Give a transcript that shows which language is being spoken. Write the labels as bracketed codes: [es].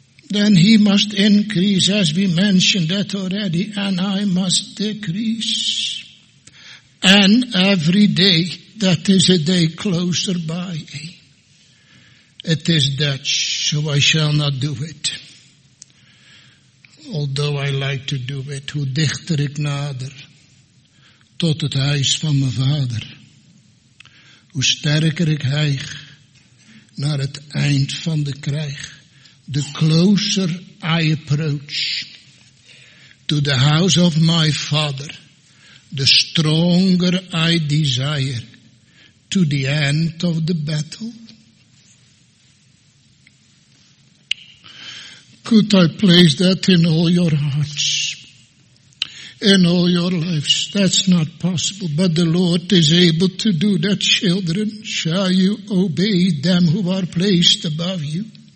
[en] Then he must increase, as we mentioned that already, and I must decrease. And every day, that is a day closer by. It is Dutch, so I shall not do it. Although I like to do it, [nl] hoe dichter ik nader tot het huis van mijn vader, hoe sterker ik hijg naar het eind van de krijg, [en] the closer I approach to the house of my father, the stronger I desire to the end of the battle. Could I place that in all your hearts, in all your lives? That's not possible, but the Lord is able to do that. Children, shall you obey them who are placed above you?